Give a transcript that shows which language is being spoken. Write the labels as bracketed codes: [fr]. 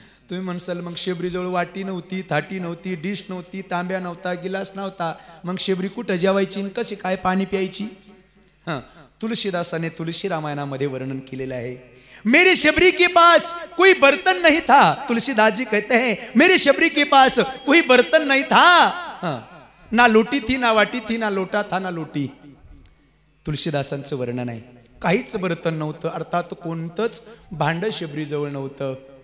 [mr] तुम्ही म्हणसाल मग शेबरीजवळ वाटी नव्हती थाटी नव्हती डिश नव्हती तांब्या नव्हता गिलास नव्हता मग शेबरी कुठं जेवायची कशी काय पाणी प्यायची. तुलसीदासाने तुलसी रामायणामध्ये वर्णन केलेलं आहे [hi] मेरी शबरी के पास कोई बर्तन नहीं था. तुलसीदासजी कहते हैं मेरी शबरी के पास कोई बर्तन नहीं था ना लोटी थी ना वाटी थी ना लोटा था ना लोटी. [mr] तुलसीदासांचं वर्णन आहे काहीच बर्तन नव्हतं अर्थात कोणतंच भांड शबरीजवळ नव्हतं.